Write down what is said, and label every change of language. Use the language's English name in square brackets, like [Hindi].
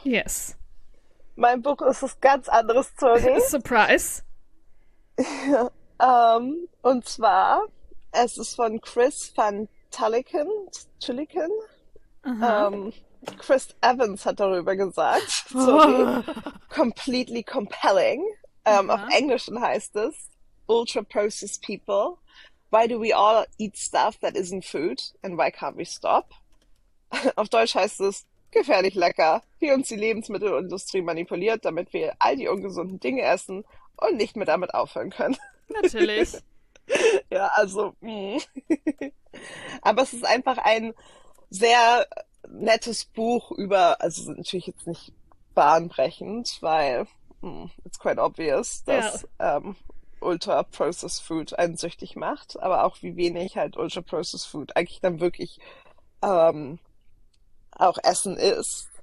[English] Yes. [German] Mein Buch ist was ganz anderes, Tony. [English] Surprise. [German] und zwar, es ist von Chris Van Tulliken. Tulliken? Chris Evans hat darüber gesagt. So wie [English] Completely Compelling. [German] Auf Englisch heißt es Ultra Processed People. [English] Why do we all eat stuff that isn't food? And why can't we stop? [German] Auf Deutsch heißt es gefährlich lecker, wie uns die Lebensmittelindustrie manipuliert, damit wir all die ungesunden Dinge essen und nicht mehr damit aufhören können. Natürlich. Ja, also. Aber es ist einfach ein sehr nettes Buch über, also natürlich jetzt nicht bahnbrechend, weil [English] it's quite obvious, [German] dass Ultra-Processed Food einen süchtig macht, aber auch wie wenig halt Ultra-Processed Food eigentlich dann wirklich auch Essen ist.